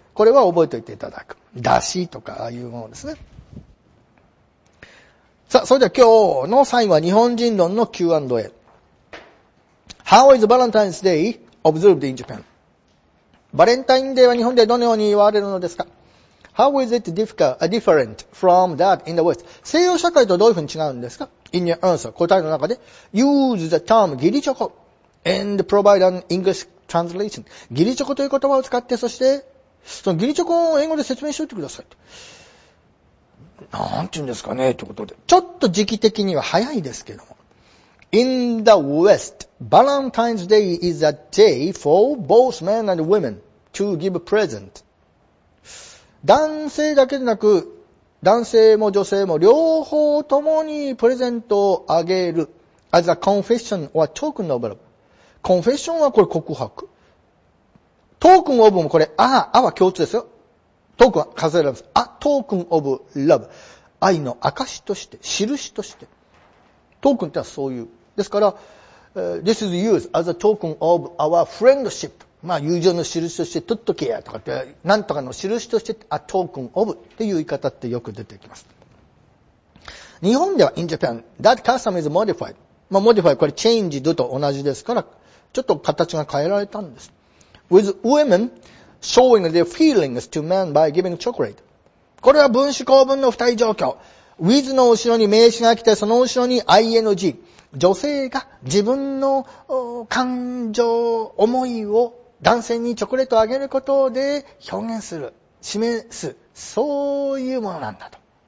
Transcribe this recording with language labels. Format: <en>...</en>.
<ja>これは覚えておいていただく。出汁とか、ああいうものですね。さあ、それでは今日の最後は日本人論の Q&A。</ja> <en>How is Valentine's Day observed in Japan?</en> <ja>バレンタインデーは日本でどのように言われるのですか?</ja> <en>How is it different from that in the West?</en> <ja>西洋社会とどういうふうに違うんですか?</ja> <en>In your answer,</en> <ja>答えの中で、</ja> <en>use the term ギリチョコ and provide an English translation.</en> <ja>ギリチョコという言葉を使って、そして、そのギリチョコを英語で説明しておいてください。なんて言うんですかね、ということで。ちょっと時期的には早いですけども。</ja> <en>In the West, Valentine's Day is a day for both men and women to give a present.</en> <ja>男性だけでなく、男性も女性も両方ともにプレゼントをあげる。</ja> <en>As a confession or a token of love. Confession</en> <ja>はこれ告白。 Token of もこれ、あは共通ですよ。Token は数えられます。</ja> <en>A token of love。</en> <ja>愛の証として、印として。 Token ってのはそういう。ですから、</ja> <en>This is used as a token of our friendship.</en> <ja>まあ、友情の印として、取っとけやとかって、なんとかの印として、</ja> <en>a token of</en> <ja>っていう言い方ってよく出てきます。日本では、</ja> <en>in Japan, that custom is modified.</en> <ja>まあ、modified, これ changed と同じですから、ちょっと形が変えられたんです。</ja> <en>With women showing their feelings to men by giving chocolate.</en> <ja>これは分子構文の付帯状況。with の後ろに名詞が来て、その後ろに ing。女性が自分の感情、思いを男性にチョコレートをあげることで表現する、示す、そういうものなんだと。</ja>